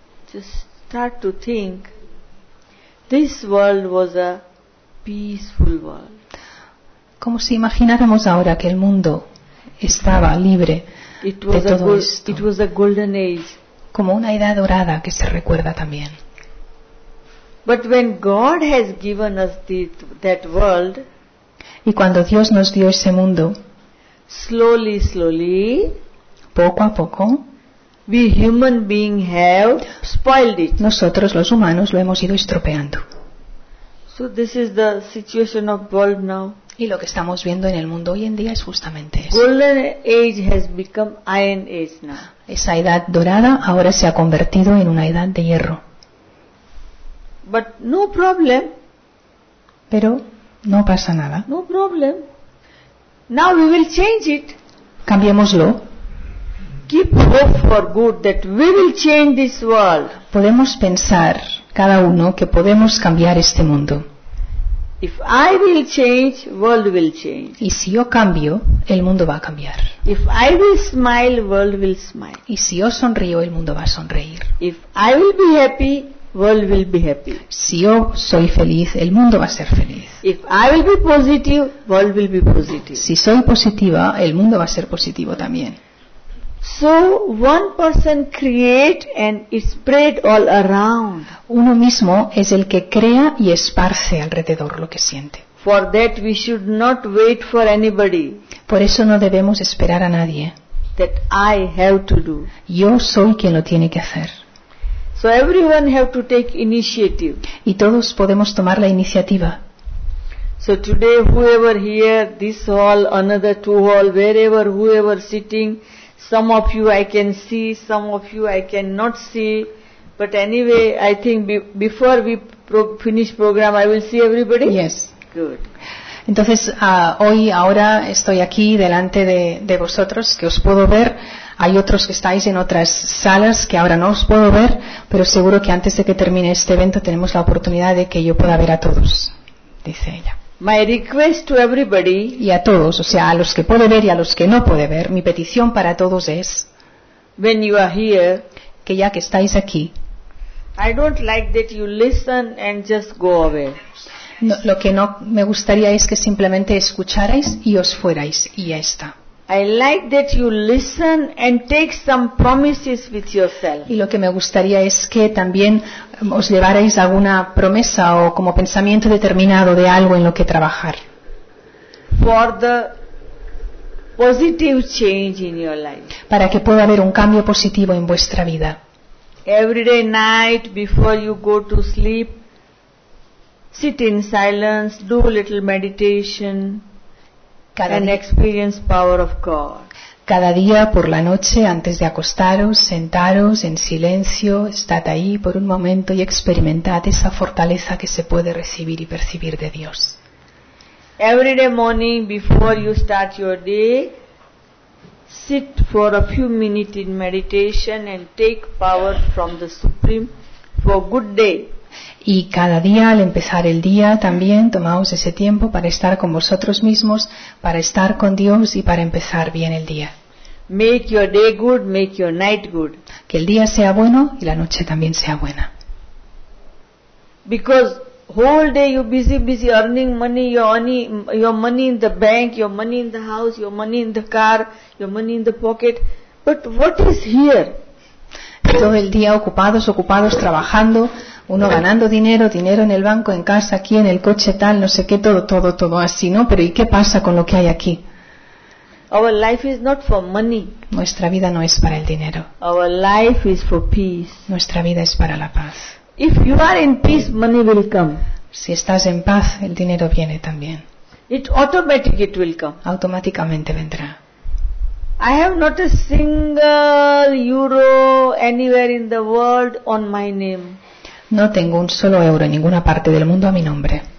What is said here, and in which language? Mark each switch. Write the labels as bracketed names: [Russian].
[English] Just start to think. this world was a peaceful world. [Spanish] Como si imagináramos ahora que el mundo estaba libre de todo esto. [English] It was a golden age. [Spanish] Como una edad dorada que se recuerda también. [English] But when God has given us that world, [Spanish] y cuando Dios nos dio ese mundo, [English] slowly, [Spanish] poco a poco, [English] we human beings have spoiled it. [Spanish] Nosotros los humanos lo hemos ido estropeando. [English] So this is the situation of world now. [Spanish] Y lo que estamos viendo en el mundo hoy en día es justamente eso. [English] Golden age has become iron age now. [Spanish] Esa edad dorada ahora se ha convertido en una edad de hierro. [English] But no problem. [Spanish] Pero no pasa nada. [English] No problem. Now we will change it. [Spanish] Cambiémoslo. [English] Keep hope for good that we will change this world. [Spanish] Podemos pensar cada uno que podemos cambiar este mundo. [English] If I will change, world will change. [Spanish] Y si yo cambio, el mundo va a cambiar. [English] If I will smile, world will smile. [Spanish] Y si yo sonrío, el mundo va a sonreír. [English] If I will be happy, world will be happy. [Spanish] Si yo soy feliz, el mundo va a ser feliz. [English] If I will be positive, world will be positive. [Spanish] Si soy positiva, el mundo va a ser positivo también. [English] So one person creates and spreads all around. [Spanish] Uno mismo es el que crea y esparce alrededor lo que siente. [English] For that we should not wait for anybody. [Spanish] Por eso no debemos esperar a nadie. [English] That I have to do. [Spanish] Yo soy quien lo tiene que hacer. [English] So everyone have to take initiative. [Spanish] Y todos podemos tomar la iniciativa. [English] So today whoever here, this hall, another two hall, wherever whoever sitting, some of you I can see, some of you I cannot see, but anyway, I think before we finish program, I will see everybody. Yes. Good. [Spanish] Entonces, hoy, ahora, estoy aquí delante de vosotros, que os puedo ver. Hay otros que estáis en otras salas que ahora no os puedo ver, pero seguro que antes de que termine este evento tenemos la oportunidad de que yo pueda ver a todos, dice ella. [English] My request to everybody, [Spanish] y a todos, o sea, a los que puede ver y a los que no puede ver, mi petición para todos es, [English] when you are here, [Spanish] que ya que estáis aquí, [English] I don't like that you listen and just go away. [Spanish] No, lo que no me gustaría es que simplemente escucharais y os fuerais, y ya está. [English] I like that you listen and take some promises with yourself. [Spanish] Y lo que me gustaría es que también os llevarais alguna promesa o como pensamiento determinado de algo en lo que trabajar. [English] For the positive change in your life. [Spanish] Para que pueda haber un cambio positivo en vuestra vida. [English] Every day night before you go to sleep, sit in silence, do a little meditation. And experience power of God. [Spanish] Cada día por la noche, antes de acostaros, sentaros en silencio, estad ahí por un momento y experimentad esa fortaleza que se puede recibir y percibir de Dios. [English] Every day morning before you start your day, sit for a few minutes in meditation and take power from the Supreme for good day. [Spanish] Y cada día al empezar el día también tomaos ese tiempo para estar con vosotros mismos, para estar con Dios y para empezar bien el día. [English] Make your day good, make your night good. [Spanish] Que el día sea bueno y la noche también sea buena. [English] Because whole day you busy earning money, your money in the bank, your money in the house, your money in the car, your money in the pocket. But what is here? [Spanish] Todo el día ocupados trabajando, uno ganando dinero en el banco, en casa, aquí, en el coche, tal, no sé qué, todo así, ¿no? Pero ¿y qué pasa con lo que hay aquí? [English] Our life is not for money. [Spanish] Nuestra vida no es para el dinero. [English] Our life is for peace. [Spanish] Nuestra vida es para la paz. [English] If you are in peace, money will come. [Spanish] Si estás en paz, el dinero viene también. [English] It will come. [Spanish] Automáticamente vendrá. [English] I have not a single euro anywhere in the world on my name. [Spanish] No tengo un solo euro en ninguna parte del mundo a mi nombre.